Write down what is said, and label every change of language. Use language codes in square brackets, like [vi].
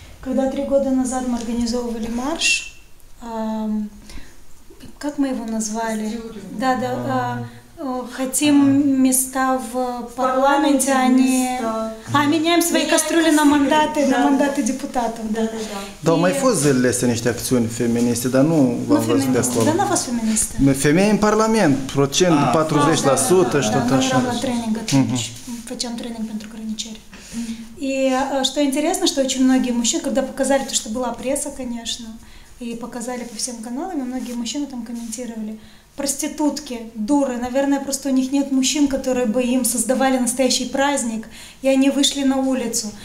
[ru] Когда 3 года назад мы организовывали марш, как мы его назвали? Да, да. Хотим места в парламенте, а не... А, меняем свои кастрюли на мандаты, на мандаты депутатов. Да, да, да. [ro] Да, mai fost zilele astea niște acțiuni feministe, dar nu v-am văzut de acolo. Dar n-a fost feministe. Femeie în parlament, procent 40% și tot așa. Da, noi eram la training atunci. Făceam training pentru grăniceri. [ru] И что интересно, что очень многие мужчины, когда показали то, что была пресса, конечно, и показали по всем каналам, и многие мужчины там комментировали, проститутки, дуры, наверное, просто у них нет мужчин, которые бы им создавали настоящий праздник, и они вышли на улицу.